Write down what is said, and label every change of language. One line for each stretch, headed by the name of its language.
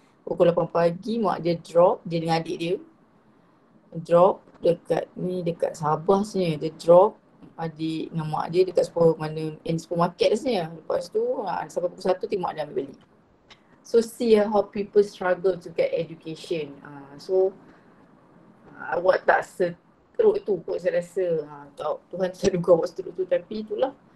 Malay: Pukul 8 pagi mak dia drop, dia dengan adik dia drop dekat ni dekat Sabah sebenarnya. Dia drop adik dengan mak dia dekat supermarket sebenarnya. Lepas tu sampai pukul 1 tengok mak dia ambil balik.
English: So see how people struggle to get education.
Malay: So awak tak seteruk tu kot saya rasa. Tuhan selalu kau buat seteruk tu tapi itulah.